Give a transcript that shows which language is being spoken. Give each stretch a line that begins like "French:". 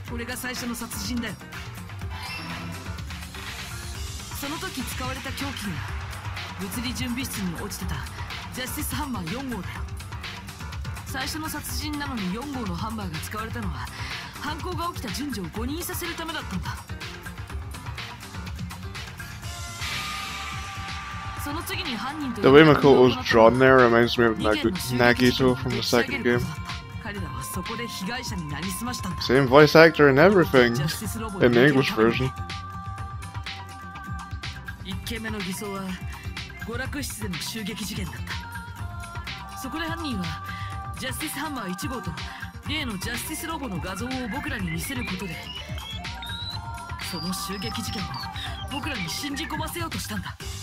Japanese: これが最初の殺人だよ。その時使われた凶器が 物理準備室に落ちてたジャスティスハンマー4号だよ。最初の殺人なのに4号のハンマーが使われたのは犯行が起きた順序を誤認させるためだったんだ。その次に犯人と
English: The way Makoto's drawn there reminds me of Nagito from the second game.
Japanese: 彼らはそこで被害者になりすましたんだ。
English: Same voice actor and everything in the English version.
Japanese: 1件目の偽装は娯楽室での襲撃事件だった。そこで犯人はジャスティスハンマー1号と例のジャスティスロボの画像を僕らに見せることで、その襲撃事件を僕らに信じ込ませようとしたんだ。